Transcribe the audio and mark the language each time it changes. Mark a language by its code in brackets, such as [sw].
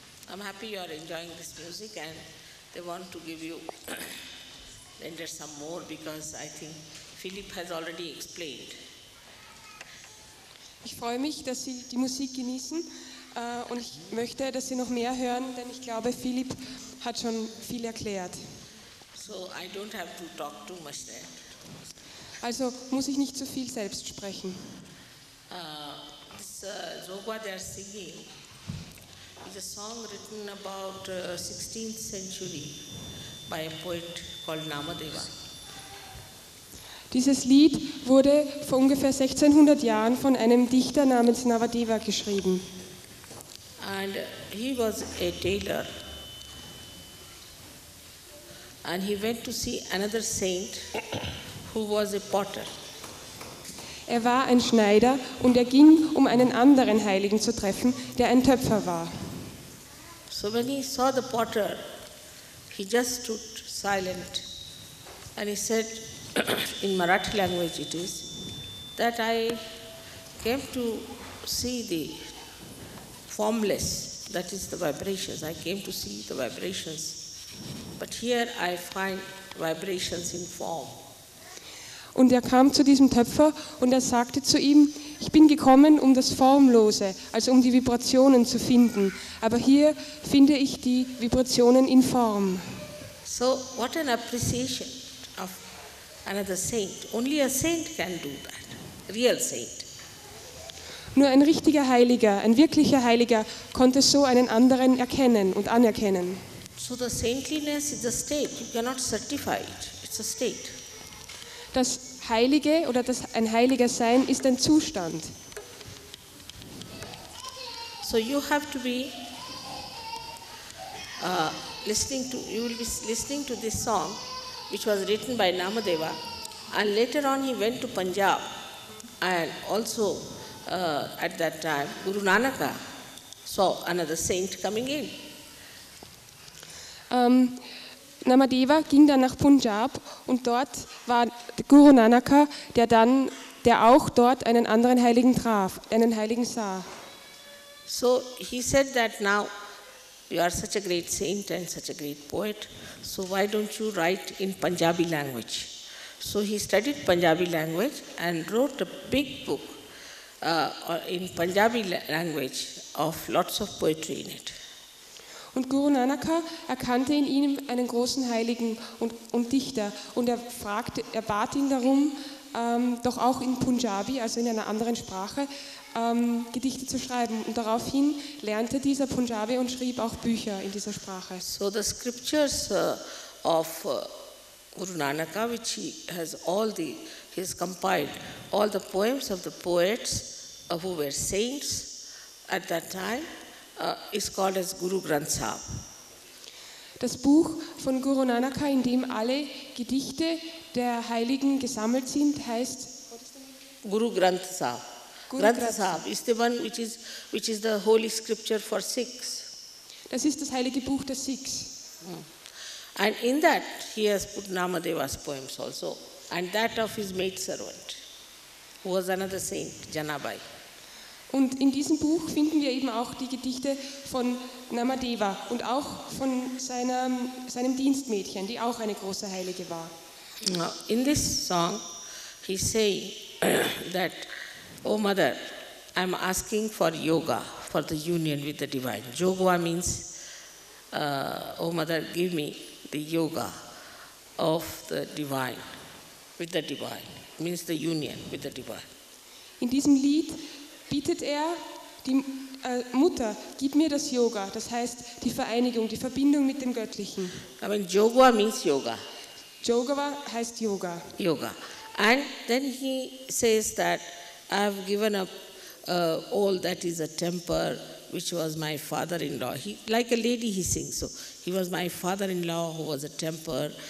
[en] I'm happy you are enjoying this music, and they want to give you render some more, because I think Philip has already explained. [de] Ich freue mich, dass Sie die Musik genießen. Und ich möchte, dass Sie noch mehr hören, denn ich glaube, Philipp hat schon viel erklärt. [en] So I don't have to talk too much there. [de] Also muss ich nicht zu viel selbst sprechen. [en] So what they are singing is a song written about 16th century by a poet called Namadeva. [de] Dieses Lied wurde vor ungefähr 1600 Jahren von einem Dichter namens Namadeva geschrieben. [en] And he was a tailor, and he went to see another saint who was a potter. [de] Er war ein Schneider, und er ging, um einen anderen Heiligen zu treffen, der ein Töpfer war. [en] So when he saw the potter, he just stood silent, and he said, in Marathi language it is, that I came to see the formless, that is the vibrations. I came to see the vibrations, but here I find vibrations in form. [de] Und er kam zu diesem Töpfer und er sagte zu ihm, ich bin gekommen, um das Formlose, also um die Vibrationen zu finden, aber hier finde ich die Vibrationen in Form. [en] So, what an appreciation of another saint. Only a saint can do that, real saint. [de] Nur ein richtiger Heiliger, ein wirklicher Heiliger, konnte so einen anderen erkennen und anerkennen. [en] So the saintliness is a state. You cannot certify it. It's a state. [de] Das Heilige oder das ein Heiliger sein ist ein Zustand. [en] So you have to be listening to. You will be listening to this song, which was written by Namadeva, and later on he went to Punjab, and also. At that time, Guru Nanak saw another saint coming in. [de] Namadeva ging dann nach Punjab, und dort war Guru Nanak, der auch dort einen anderen Heiligen traf, einen Heiligen sah. [en] So he said that now you are such a great saint and such a great poet, so why don't you write in Punjabi language? So he studied Punjabi language and wrote a big book. In Punjabi language, of lots of poetry in it. [de] Und Guru Nanak erkannte in ihm einen großen Heiligen und Dichter, und er bat ihn darum, doch auch in Punjabi, also in einer anderen Sprache, Gedichte zu schreiben. Und daraufhin lernte dieser Punjabi und schrieb auch Bücher in dieser Sprache. [en] So the scriptures of Guru Nanak, which he has all the he has compiled all the poems of the poets who were saints at that time, is called as Guru Granth Sahib. [de] Das Buch von Guru Nanak, in dem alle Gedichte der Heiligen gesammelt sind, heißt Guru Granth Sahib. [en] Granth Sahib is the one which is the holy scripture for Sikhs. [de] Das ist das heilige Buch der Sikhs. [en] And in that he has put Namadeva's poems also, and that of his maid servant, who was another saint, Janabai. [de] Und in diesem Buch finden wir eben auch die Gedichte von Namadeva und auch von seinem Dienstmädchen, die auch eine große Heilige war. [en] Now, in this song, he say that, oh mother, I'm asking for yoga, for the union with the divine. Yoga means, oh mother, give me the yoga of the divine, with the divine, means the union with the divine. [de] In diesem Lied bittet er die Mutter, gib mir das Yoga, das heißt die Vereinigung, die Verbindung mit dem Göttlichen. [en] I mean, yoga means yoga. [de] Yoga heißt Yoga. Yoga. [en] And then he says that I have given up all that is a temper, which was my father-in-law. He, like a lady, he sings. So he was my father-in-law who was a temper.